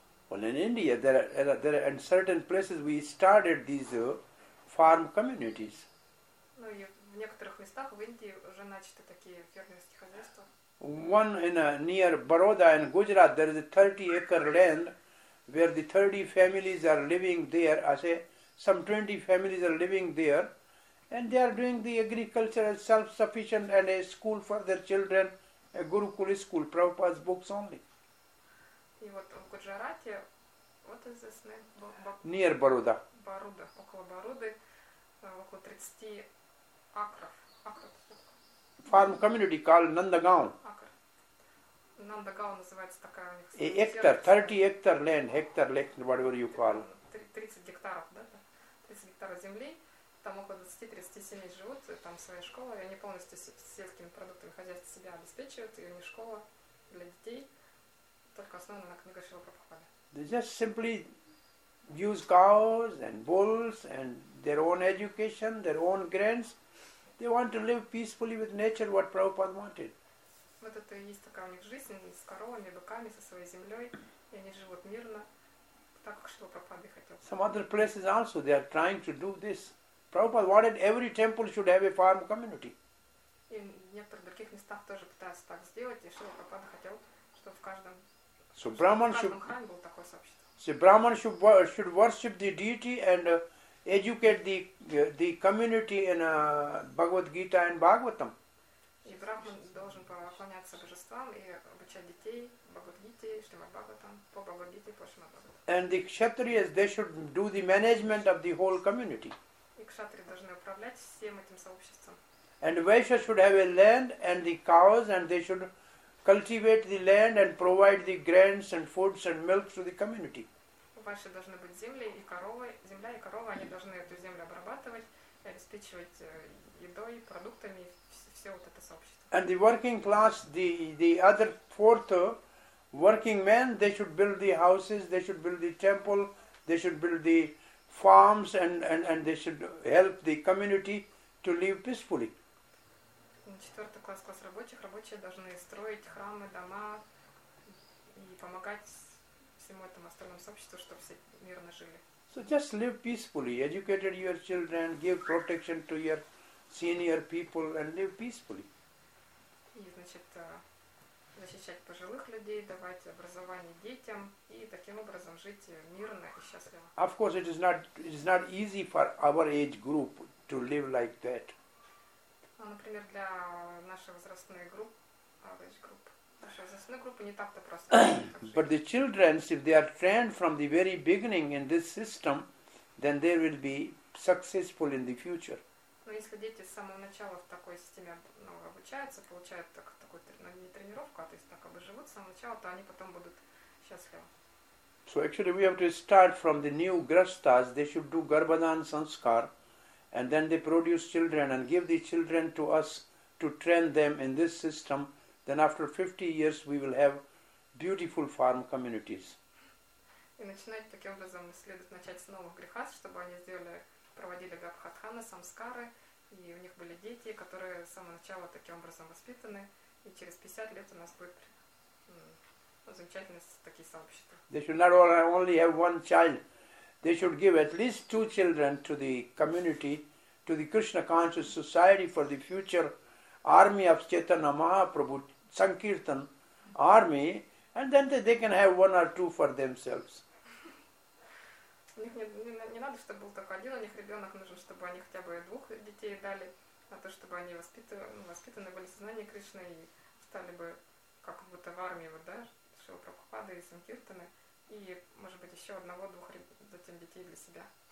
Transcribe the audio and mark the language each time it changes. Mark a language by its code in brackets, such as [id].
[en] Well, in India, there are in certain places we started these farm communities. [ru] Ну и в некоторых местах в Индии уже начаты такие фермерские хозяйства. [en] One in near Baroda in Gujarat, there is a 30-acre land where the 30 families are living there. I say some 20 families are living there, and they are doing the agriculture as self-sufficient and a school for their children, a Gurukul school, Prabhupada's books only. [ru] И вот в Гуджарате, [en] what is this name? Near Baroda. [ru] Baroda, около Бороды, около 30 акров. [en] Farm community called Nandagaon. [ru] Акр. Нандагаон называется такая у них. [en] Hectare, 30 hectare land, whatever you call. [ru] 30 гектаров, да? 30 гектаров земли. Там около 20-30 семей живут, там своя школа, и они полностью сельскими продуктами хозяйства себя обеспечивают, и у них школа для детей. Только основано на книгах Шрилы Прабхупады. [en] They just simply use cows and bulls and their own education, their own grains. They want to live peacefully with nature, what Prabhupada wanted. [ru] Вот это и есть такая у них жизнь с коровами, быками, со своей землей, и они живут мирно, так как Шрила Прабхупада хотел. [en] Some other places also they are trying to do this. Prabhupada wanted every temple should have a farm community. [ru] И в некоторых других местах тоже пытаются так сделать, и Шрила Прабхупада хотел, чтобы в каждом. [en] So Brahman should, See, Brahman should worship the deity and educate the community in Bhagavad Gita and Bhagavatam. [ru] И Брахман должен поклоняться божествам и обучать детей Бхагавад Гите, Шримад Бхагаватам, по Бхагавад Гите, по Шримад Бхагаватам. [en] And the kshatriyas, they should do the management of the whole community. [ru] И кшатри должны управлять всем этим сообществом. [en] And Vaishya should have a land and the cows, and they should cultivate the land and provide the grains and foods and milk to the community. [ru] Ваши должны быть земли и коровы, земля и корова, они должны эту землю обрабатывать, обеспечивать едой, продуктами. [en] And the working class, the other fourth working men, they should build the houses, they should build the temple, they should build the farms, and they should help the community to live peacefully. [ru] Четвертый класс, класс рабочих. Рабочие должны строить храмы, дома и помогать всему этому остальному сообществу, чтобы все мирно жили. [en] So just live peacefully. Educate your children, give protection to your senior people and live peacefully. [ru] И, значит, защищать пожилых людей, давать образование детям и таким образом жить мирно и счастливо. [en] Of course, it is not easy for our age group to live like that. [ru] Ну, например, для нашей возрастной группы, нашей возрастной группы не так-то просто. [en] But the children, if they are trained from the very beginning in this system, then they will be successful in the future. [ru] Но если дети с самого начала в такой системе обучаются, получают такую не тренировку, а то есть так живут с самого начала, то они потом будут счастливы. [en] So actually we have to start from the new grastas. They should do garbhadhan sanskar, and then they produce children and give the children to us to train them in this system. Then after 50 years we will have beautiful farm communities. [ru] И начинать таким образом следует начать с новых грехас, чтобы они сделали проводили гарбхатханы, самскары, и у них были дети, которые с самого начала таким образом воспитаны, и через 50 лет у нас будет замечательные такие сообщества. [en] They should not only have one child, they should give at least two children to the community, to the Krishna conscious society for the future army of Chaitanya Mahaprabhu, Sankirtan army, and then they can have one or two for themselves. [ru] У них не надо, чтобы был только один, у них ребенок нужен, чтобы они хотя бы двух детей дали, а то, чтобы они воспитаны были в сознании Кришны и стали бы как будто в армии, вот, да, Шрила Прабхупады и Санкиртаны, и, может быть, еще одного-двух затем детей для себя.